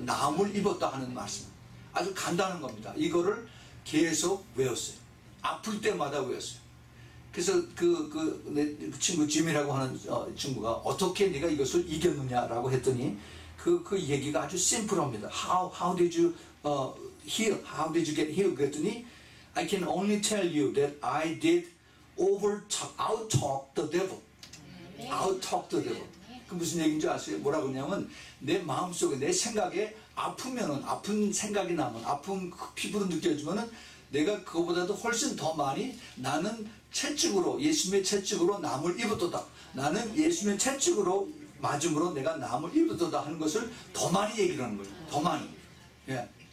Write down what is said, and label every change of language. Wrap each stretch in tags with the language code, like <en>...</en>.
<ko>나음을 입었다 하는 말씀. 아주 간단한 겁니다. 이거를 계속 외웠어요. 아플 때마다 외웠어요. 그래서 내 친구 짐이라고 하는 친구가 어떻게 네가 이것을 이겼느냐라고 했더니 그 얘기가 아주 심플합니다.</ko> <en>How did you heal? How did you get healed?</en> <ko>그랬더니</ko> <en>I can only tell you that I did out-talk the devil. 네. Out-talk the devil.</en> <ko>그 무슨 얘기인지 아세요? 뭐라고 하냐면 내 마음속에 내 생각에 아프면은 아픈 생각이 나면 아픈 그 피부로 느껴지면은 내가 그거보다도 훨씬 더 많이 나는 채찍으로 예수님의 채찍으로 남을 입었도다. 나는 예수님의 채찍으로 맞음으로 내가 남을 입었도다 하는 것을 더 많이 얘기를 하는 거예요. 더 많이. 예.</ko>